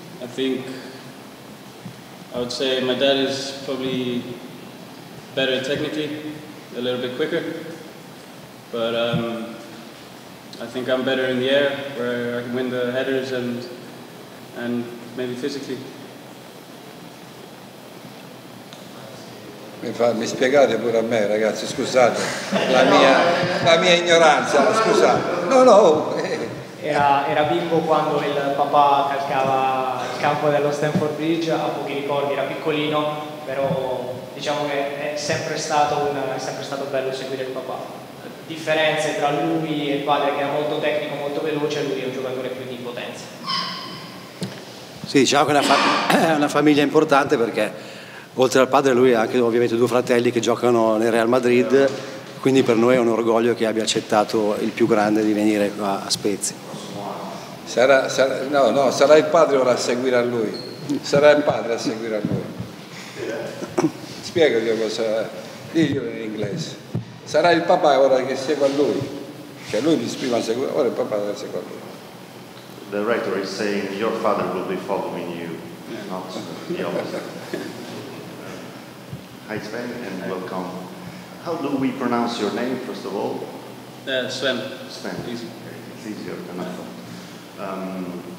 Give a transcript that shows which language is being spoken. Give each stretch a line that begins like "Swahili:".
English: I think I would say my dad is probably better technically, a little bit quicker, but I think I'm better in the air, where I can win the headers and maybe physically.
Italian: Mi spiegate pure a me, ragazzi, scusate la mia ignoranza, scusate. No. Era bimbo quando il papà calcava il campo dello Stamford Bridge, ha pochi ricordi, era piccolino, però diciamo che è sempre stato bello seguire il papà. Differenze tra lui e il padre, che è molto tecnico, molto veloce, lui è un giocatore più di potenza. Sì, diciamo che è una famiglia importante, perché oltre al padre lui ha anche ovviamente 2 fratelli che giocano nel Real Madrid, quindi per noi è un orgoglio che abbia accettato il più grande di venire qua a Spezia. Sarà il padre ora a seguire a lui. Sarà il padre a seguire a lui. Spiego io cosa. Diglielo in inglese. Sarà il papà ora che segue a lui. Cioè lui mi esprima a seguire, ora il papà deve seguire a lui.
English: The rector is saying your father will be following you, not the opposite. Hi Sven, and welcome. How do we pronounce your name, first of all? Sven. Sven. Easy. It's easier than I thought.